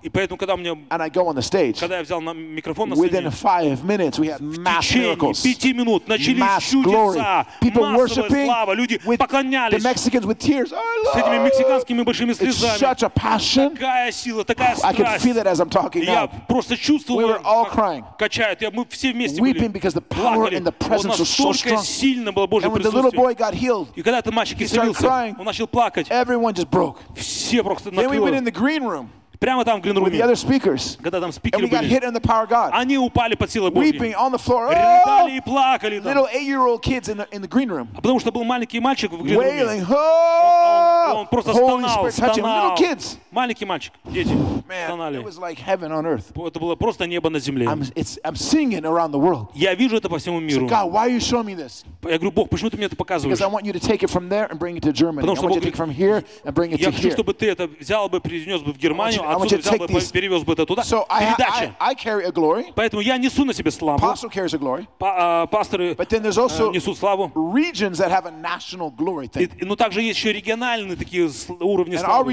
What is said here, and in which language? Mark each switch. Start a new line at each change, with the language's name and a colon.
Russian: и поэтому, когда мне,
English: and I go on the stage,
Russian: когда я взял на микрофон на сцене,
English: five minutes we had mass miracles,
Russian: 5 минут начались чудеса,
English: massive
Russian: слава, люди поклонялись.
English: The Mexicans with tears,
Russian: с этими мексиканскими большими слезами.
English: It's such a passion.
Russian: Такая сила, такая страсть.
English: I could feel it as I'm talking now. We were all crying.
Russian: Качает. Мы все вместе
English: weeping because the power and the presence was so strong.
Russian: Сильно было Божье присутствие.
English: And when the little boy got healed,
Russian: и когда этот мальчик исцелился, он начал плакать.
English: Everyone just broke.
Russian: Все просто накрыло.
English: Then we went in the green room.
Russian: Прямо там в green room.
English: With the other speakers.
Russian: Когда там спикеры были.
English: And we got hit in the power of God.
Russian: Они упали под силой Божьей.
English: Weeping on the floor.
Russian: Рыдали и плакали там.
English: Little 8-year-old kids in the green room.
Russian: А потому что был маленький мальчик в green room.
English: Wailing.
Russian: Он просто стонал, стонал.
English: Little kids.
Russian: Маленький мальчик, дети.
English: Man, it was like heaven on earth.
Russian: Это было просто небо на земле.
English: I'm seeing it around the world.
Russian: Я вижу это по всему миру.
English: God, why are you showing me this?
Russian: Я говорю, Бог, почему ты мне это показываешь?
English: Because I want you to take it from there and bring it to Germany.
Russian: Потому что
English: I want you to take from here and bring it to here.
Russian: Я хочу, чтобы ты это взял бы, принес бы в Германию, а отсюда взял бы, перевез бы это туда.
English: So
Russian: передача.
English: I carry a glory.
Russian: Поэтому я несу на себе славу.
English: Pastor carries a glory.
Russian: Пасторы несут славу.
English: Regions that have a national glory thing.
Russian: Но также есть еще региональные такие уровни славы.